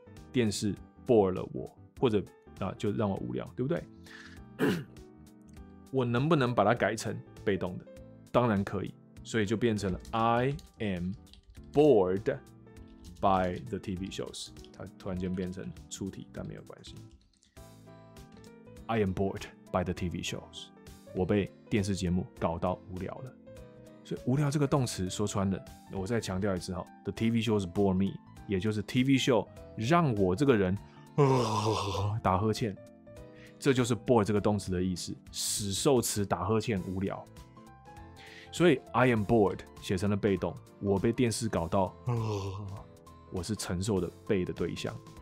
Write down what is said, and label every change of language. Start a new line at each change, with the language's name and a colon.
Chinese: 电视 bore 了我，或者就让我无聊，对不对？我能不能把它改成被动的？当然可以。所以就变成了
English: I am bored by the TV shows，
Chinese: 它突然间变成出题，但没有关系。
English: I am bored by the TV shows，
Chinese: 我被电视节目搞到无聊了。所以无聊这个动词说穿了，我再强调一次哈 ，
English: the TV shows bore me，
Chinese: 也就是 TV show 让我这个人打呵欠，这就是 bore 这个动词的意思，使受词打呵欠无聊。所以
English: I am bored
Chinese: 写成了被动，我被电视搞到，我是承受的被的对象。